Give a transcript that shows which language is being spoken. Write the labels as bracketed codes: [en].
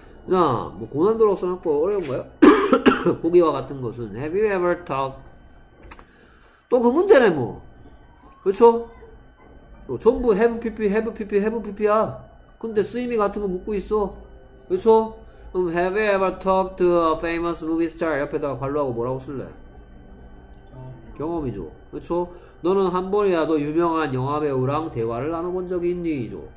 [ko] 자, 뭐 고난도로 써놨고 어려운 거예요? 보기와 같은 것은 [en] Have you ever talked? [ko] 또 그 문제네 뭐. 그렇죠? 전부 have pp, have pp, have pp야. 근데 쓰임이 같은 거 묻고 있어. 그렇죠? [en] 그럼 Have you ever talked to a famous movie star? [ko] 옆에다가 관로하고 뭐라고 쓸래? 경험이죠. 그렇죠? 너는 한 번이라도 유명한 영화배우랑 대화를 나눠본 적이 있니?죠.